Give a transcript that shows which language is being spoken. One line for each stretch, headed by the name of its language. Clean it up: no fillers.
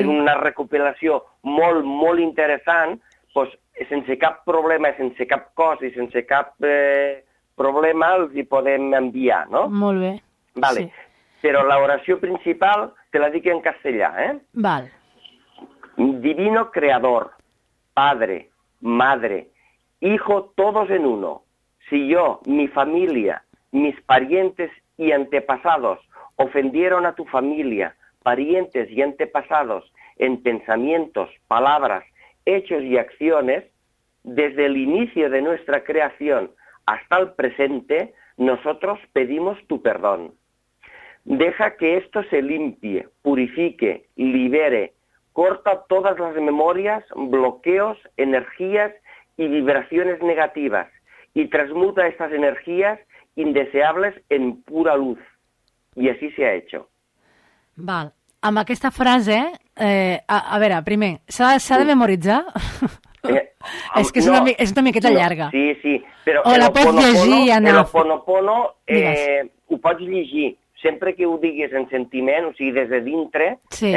Catalan: És una recopilació molt, molt interessant, doncs, sense cap problema, sense cap cos i sense cap problema els hi podem enviar, no? Molt bé. Vale. Sí. Però l'oració principal te la dic en castellà, eh? Val.
Spanish: Divino creador, padre, madre, hijo todos en uno, si yo, mi familia, mis parientes y antepasados ofendieron a tu familia, parientes y antepasados en pensamientos, palabras, hechos y acciones, desde el inicio de nuestra creación hasta el presente, nosotros pedimos tu perdón. Deja que esto se limpie, purifique, libere, corta todas las memorias, bloqueos, energías y vibraciones negativas y transmuta estas energías indeseables en pura luz. Y así se ha hecho.
Catalan: Val. Amb aquesta frase, a veure, primer, s'ha de memoritzar? És que és, no, és una miqueta llarga. Sí, sí. Però, o la pots llegir i anar... Ho'oponopono, ho pots llegir. Sempre que ho diguis en sentiment, o sigui, des de dintre, sí.